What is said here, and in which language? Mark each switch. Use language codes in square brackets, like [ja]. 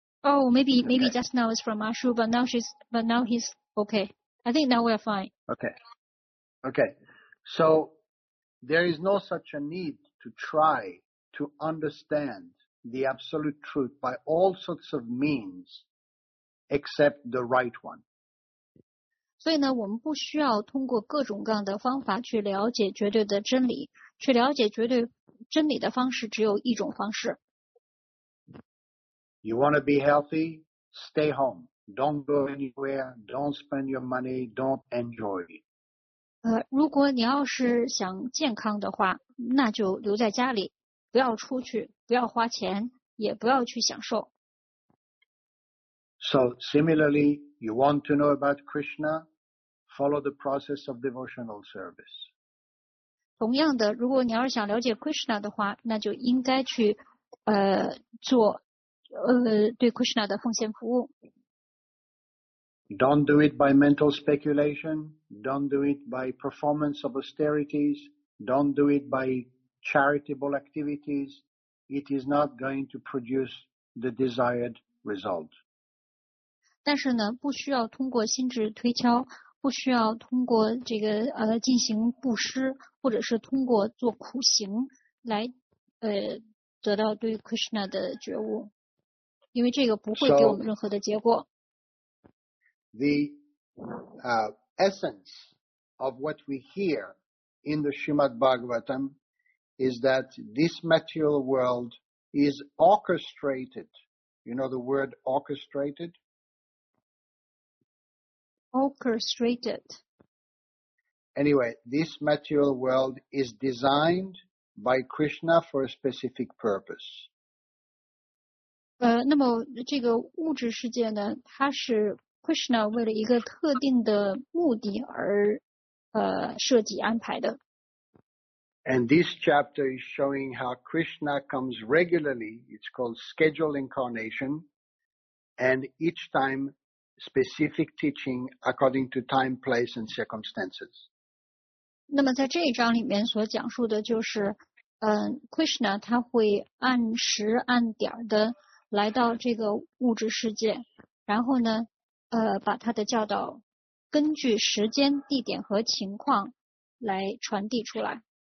[en] Oh, maybe just now it's from Ashu, but now he's okay. I think now we're fine. Okay, so there is no such a need to try to understand the absolute truth by all sorts of means except the right one. [zh] 所以呢，我们不需要通过各种各样的方法去了解绝对的真理，去了解绝对真理的方式只有一种方式。 [en] You want to be healthy? Stay home. Don't go anywhere. Don't spend your money. Don't enjoy it. [zh] 如果你要是想健康的话，那就留在家里，不要出去，不要花钱，也不要去享受。 [en] So similarly, you want to know about Krishna, follow the process of devotional service. [zh] 同样的，如果你要是想了解 Krishna 的话，那就应该去做对 Krishna 的奉献服务。 [en] Don't do it by mental speculation. Don't do it by performance of austerities. Don't do it by charitable activities. It is not going to produce the desired result. [zh] 但是呢，不需要通过心智推敲，不需要通过这个进行布施，或者是通过做苦行来得到对 Krishna 的觉悟，因为这个不会给我们任何的结果。 [en] The essence of what we hear in the Srimad Bhagavatam is that this material world is orchestrated. You know the word orchestrated? Orchestrated. Anyway, this material world is designed by Krishna for a specific purpose. [zh] 那么这个物质世界呢，它是Krishna 为了一个特定的目的而设计安排的。 [en] And this chapter is showing how Krishna comes regularly, it's called scheduled incarnation, and each time specific teaching according to time, place, and circumstances. [zh] 那么在这一章里面所讲述的就是Krishna 他会按时按点的来到这个物质世界，然后呢把他的教导根据时间、地点和情况来传递出来。